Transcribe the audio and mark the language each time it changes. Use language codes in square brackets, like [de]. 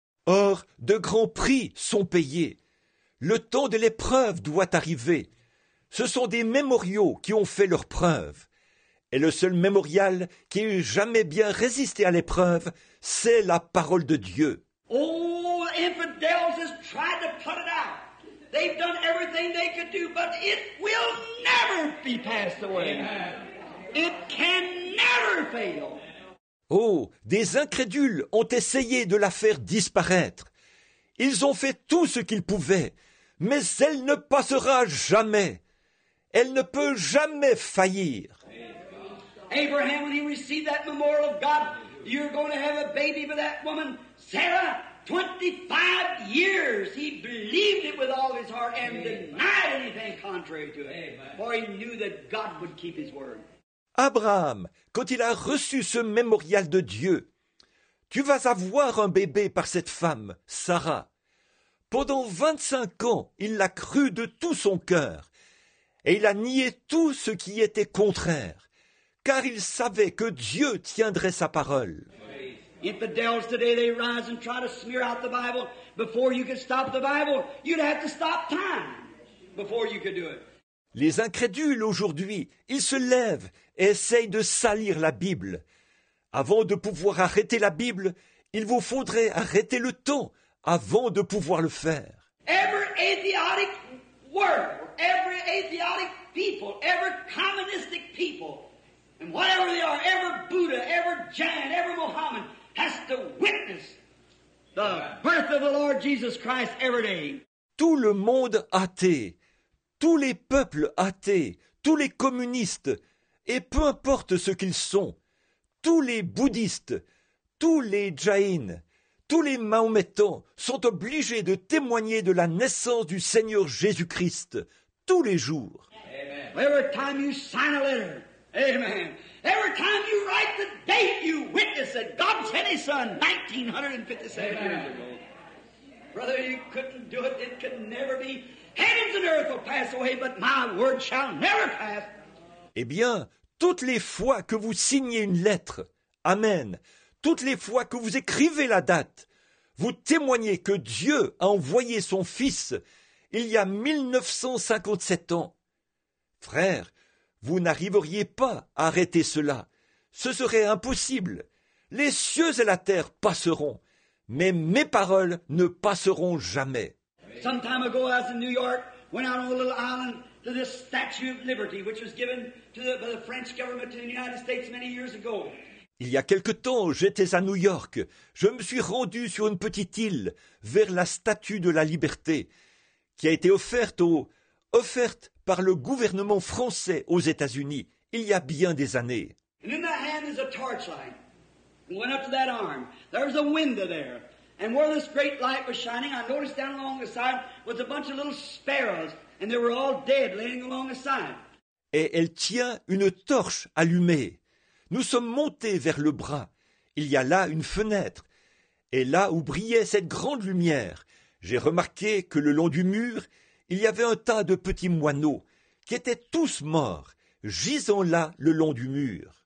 [fr] Or, de grands prix sont payés. Le temps de l'épreuve doit arriver. Ce sont des mémoriaux qui ont fait leur preuve. Et le seul mémorial qui ait jamais bien résisté à l'épreuve, c'est la parole de Dieu. [en] Oh, the infidels have tried to put it out. They've done everything they could do, but it will never be passed away. It can never fail. [fr] Oh, des incrédules ont essayé de la faire disparaître. Ils ont fait tout ce qu'ils pouvaient, mais elle ne passera jamais. Elle ne peut jamais faillir. [en] Abraham, when he received that memorial of God, You're going to have a baby with that woman, Sarah. 25 years he believed it with all his heart and denied anything contrary to it. Amen. For he knew that God would keep his word. [fr] Abraham, quand il a reçu ce mémorial de Dieu, tu vas avoir un bébé par cette femme, Sarah. Pendant 25 ans, il l'a cru de tout son cœur et il a nié tout ce qui était contraire, car il savait que Dieu tiendrait sa parole. [en] Infidèles today, they rise and try to smear out the Bible. Before you could stop the Bible, you'd have to stop time before you could do it. [fr] Les incrédules aujourd'hui, ils se lèvent et essayent de salir la Bible. Avant de pouvoir arrêter la Bible, il vous faudrait arrêter le temps avant de pouvoir le faire. [en] Every idiotic word, every idiotic people, every communistic people, and whatever they are, every Buddha, every Jain, every Mohammed, has to witness the birth of the Lord Jesus Christ every day. [fr] Tout le monde athée, tous les peuples athées, tous les communistes, et peu importe ce qu'ils sont, tous les bouddhistes, tous les jaïns, tous les mahométans sont obligés de témoigner de la naissance du Seigneur Jésus-Christ tous les jours. [en] Amen. Every time you sign a letter, amen. Every time you write the date, you witness that God sent his son 1957 years ago. Brother, you couldn't do it. It could never be. Heavens and earth will pass away, but my word shall never pass. [fr] Eh bien, toutes les fois que vous signez une lettre, amen, toutes les fois que vous écrivez la date, vous témoignez que Dieu a envoyé son fils il y a 1957 ans. Frère, vous n'arriveriez pas à arrêter cela. Ce serait impossible. Les cieux et la terre passeront, mais mes paroles ne passeront jamais. [en] Some time ago, I was in New York, went out on a little island to this Statue of Liberty, which was given to the French government to the United States many years ago. [fr] Il y a quelque temps, j'étais à New York. Je me suis rendu sur une petite île vers la Statue de la Liberté, qui a été offerte par le gouvernement français aux États-Unis il y a bien des années. [en] And in that hand is a torchlight. It went up to that arm. There was a window there. And where this great light was shining, I noticed down along the side was a bunch of little sparrows, and they were all dead laying along the side. [fr] Et elle tient une torche allumée. Nous sommes montés vers le bras. Il y a là une fenêtre. Et là où brillait cette grande lumière, j'ai remarqué que le long du mur, il y avait un tas de petits moineaux qui étaient tous morts, gisant là le long du mur.